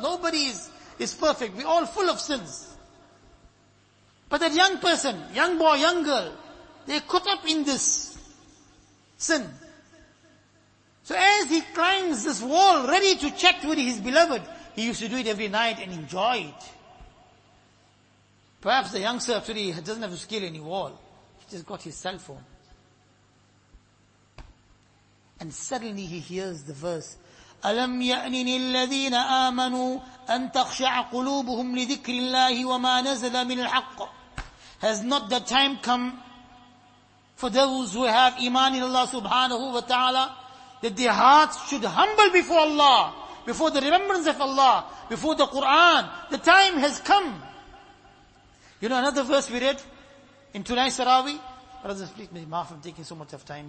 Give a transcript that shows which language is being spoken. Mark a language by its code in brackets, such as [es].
[en] Nobody is perfect. We're all full of sins. But that young person, young boy, young girl, they're caught up in this sin. So as he climbs this wall, ready to chat with his beloved, he used to do it every night and enjoy it. Perhaps the youngster actually doesn't have to scale any wall. He just got his cell phone. And suddenly he hears the verse, [ar] أَلَمْ يَأْنِنِ الَّذِينَ آمَنُوا أَن تَخْشَعَ قُلُوبُهُمْ لِذِكْرِ اللَّهِ وَمَا نَزَلَ مِنْ الْحَقِّ. [en] Has not the time come for those who have iman in Allah subhanahu wa ta'ala that their hearts should humble before Allah, before the remembrance of Allah, before the Quran? The time has come. You know another verse we read in tonight's Tarawih? Brothers, please make me laugh. I'm taking so much of time.